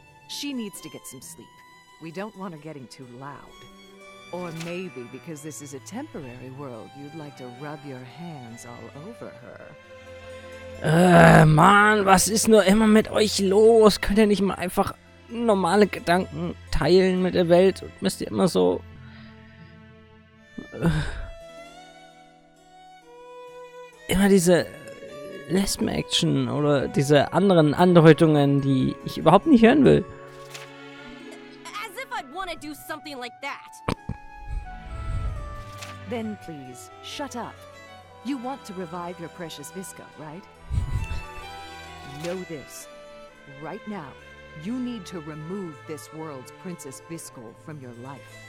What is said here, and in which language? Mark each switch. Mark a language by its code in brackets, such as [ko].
[en] She needs to get some sleep. We don't want her getting too loud. Or maybe because this is a temporary world, you'd like to rub your hands all over her. [de] Mann, was ist nur immer mit euch los? Könnt ihr nicht mal einfach normale Gedanken teilen mit der Welt? Und müsst ihr immer so... Immer diese... Lesben-Action oder diese anderen Andeutungen, die ich überhaupt nicht hören will. [en] As if I'd want to do something like that. Then please, shut up. You want to revive your precious Visca, right? Know this. Right now, you need to remove this world's Princess Viskol from your life.